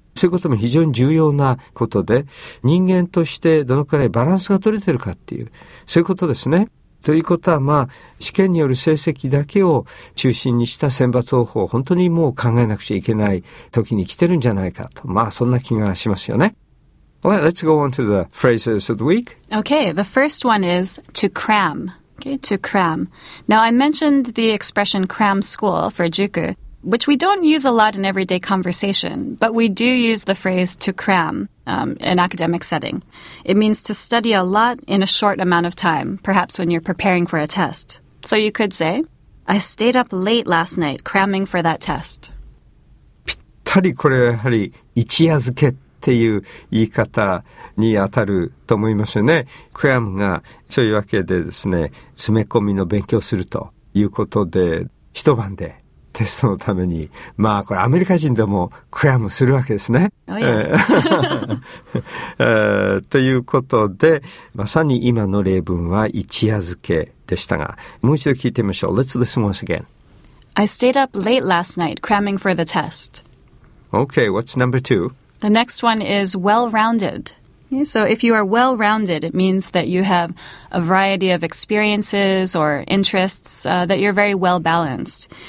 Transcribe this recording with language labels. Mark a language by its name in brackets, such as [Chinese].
[Japanese] そういうことも非常に重要なことで、人間としてどのくらいバランスが取れてるかっていう、そういうことですね。ということは、まあ、試験による成績だけを中心にした選抜方法を本当にもう考えなくちゃいけない時に来てるんじゃないかと。まあ、そんな気がしますよね。 [English] Well, let's go on to the phrases of the week. Okay, the first one is to cram. Okay, to cram. Now, I mentioned the expression cram school for juku, which we don't use a lot in everyday conversation, but we do use the phrase to cram in academic setting. It means to study a lot in a short amount of time, perhaps when you're preparing for a test. So you could say, I stayed up late last night cramming for that test. [Japanese] ぴったりこれはやはり一夜漬けっていう言い方に当たると思いますよね。 Cram がそういうわけでですね、詰め込みの勉強するということで、一晩でテストのために、まあこれアメリカ人でもクラムするわけですね。ということで、まさに今の例文は一夜漬けでしたが、もう一度聞いてみましょう。 [English] Let's listen once again. I stayed up late last night cramming for the test. Okay, what's number two? The next one is well-rounded. So if you are well-rounded, it means that you have a variety of experiences or interests, that you're very well-balanced.